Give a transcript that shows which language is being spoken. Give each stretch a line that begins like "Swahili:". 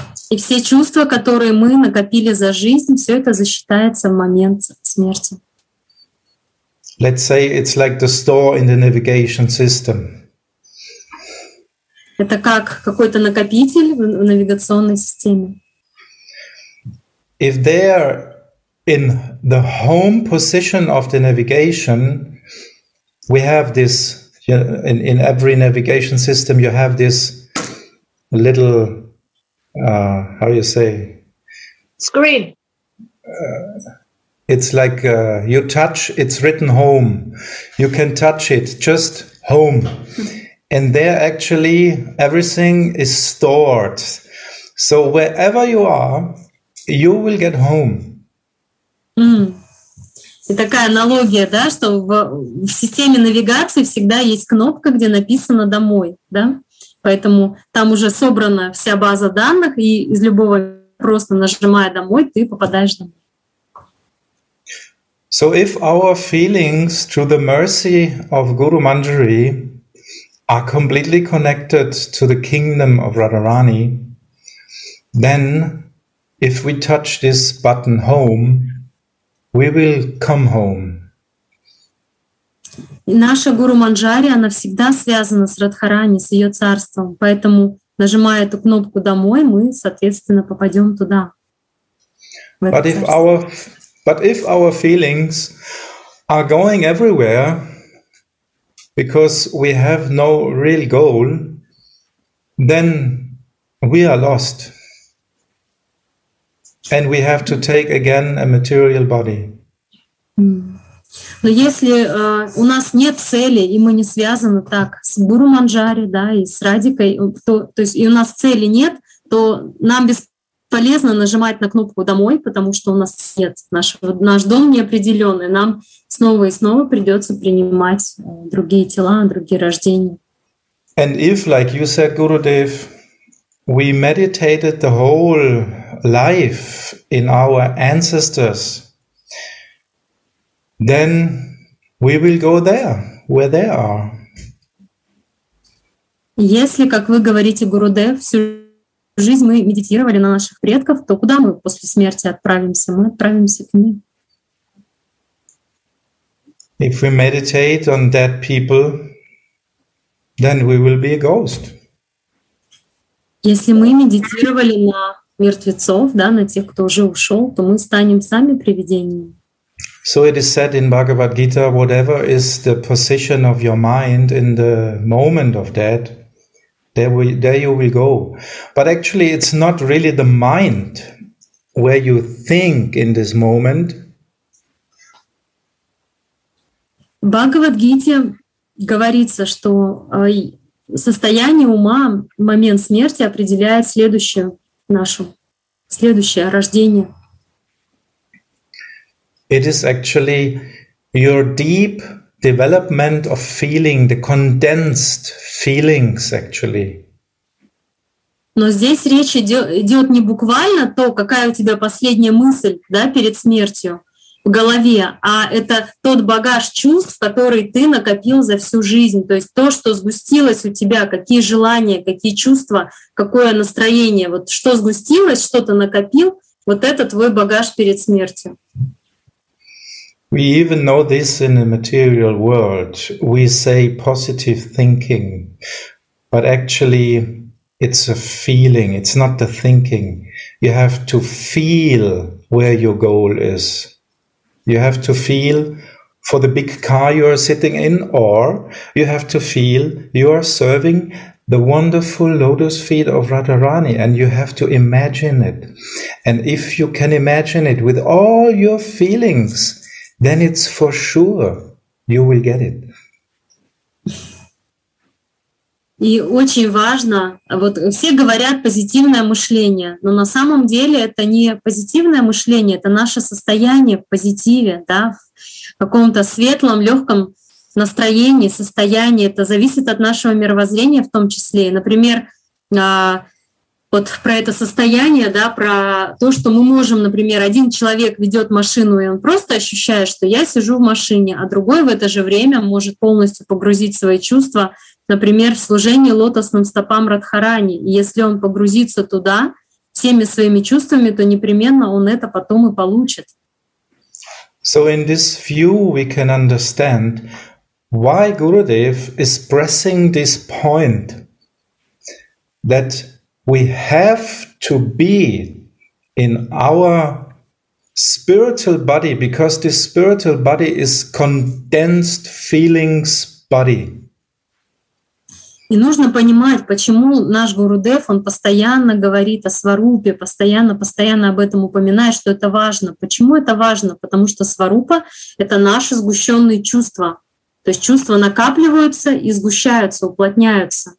Russian: И все чувства, которые мы накопили за жизнь, все это засчитывается в момент смерти.
English: Let's say it's like the store in the navigation system.
Russian: Это как какой-то накопитель в навигационной системе.
English: If there in the home position of the navigation, we have this, in every navigation system, you have this little, how you say? Screen. It's like you touch, it's written home. You can touch it, just home. And there actually everything is stored. So wherever you are, you will get home.
Russian: И такая аналогия, да, что в системе навигации всегда есть кнопка, где написано «домой», да? Поэтому там уже собрана вся база данных, и из любого, просто нажимая «домой», ты попадаешь домой.
English: So if our feelings through the mercy of Guru Manjari are completely connected to the kingdom of Radharani, then if we touch this button «home», we will come home.
Russian: Наша Гуру Манджари, она всегда связана с Радхарани, с ее царством. Поэтому, нажимая эту кнопку «домой», мы, соответственно, попадем туда.
English: But if our feelings are going everywhere, because we have no real goal, then we are lost. And we have to take again a material body.
Russian: Но если у нас нет цели, и мы не связаны так с Гуру Манджари, да, и с Радикой, то есть и у нас цели нет, то нам без полезно нажимать на кнопку «Домой», потому что у нас нет нашего, наш дом неопределенный. Нам снова и снова придется принимать другие тела, другие рождения.
English: And if, like you said, Gurudev, we meditated the whole life in our ancestors, then we will go there, where they are.
Russian: Если, как вы говорите, Гурудев, всю жизнь мы медитировали на наших предков, то куда мы после смерти отправимся? Мы отправимся к ним.
English: If we meditate on dead people, then we will be a ghost.
Russian: Если мы медитировали на мертвецов, да, на тех, кто уже ушел, то мы станем сами привидениями.
English: So it is said in Bhagavad Gita, whatever is the position of your mind in the moment of death, there you will go. But actually, it's not really the mind where you think in this moment.
Russian: Bhagavad Gita говорится, что состояние ума в момент смерти определяет следующее наше, следующее рождение.
English: It is actually your deep development of feeling, the condensed feelings, actually.
Russian: Но здесь речь идет не буквально то, какая у тебя последняя мысль, да, перед смертью в голове, а это тот багаж чувств, который ты накопил за всю жизнь. То есть то, что сгустилось у тебя, какие желания, какие чувства, какое настроение. Вот что сгустилось, что ты накопил, вот это твой багаж перед смертью.
English: We even know this in the material world. We say positive thinking, but actually it's a feeling, it's not the thinking. You have to feel where your goal is. You have to feel for the big car you are sitting in, or you have to feel you are serving the wonderful lotus feet of Radharani, and you have to imagine it. And if you can imagine it with all your feelings, then it's for sure you will get it.
Russian: И очень важно, вот все говорят позитивное мышление, но на самом деле это не позитивное мышление, это наше состояние в позитиве, да, в каком-то светлом, легком настроении, состоянии. Это зависит от нашего мировоззрения в том числе. Например, вот про это состояние, да, про то, что мы можем, например, один человек ведет машину, и он просто ощущает, что я сижу в машине, а другой в это же время может полностью погрузить свои чувства, например, в служение лотосным стопам Радхарани. И если он погрузится туда всеми своими чувствами, то непременно он это потом и получит.
English: So in this view we can understand why Gurudev is pressing this point that we have to be in our spiritual body, because this spiritual body is condensed feelings body.
Russian: И нужно понимать, почему наш Гурудев, он постоянно говорит о сварупе, постоянно об этом упоминает, что это важно. Почему это важно? Потому что сварупа — это наши сгущенные чувства. То есть чувства накапливаются и сгущаются, уплотняются.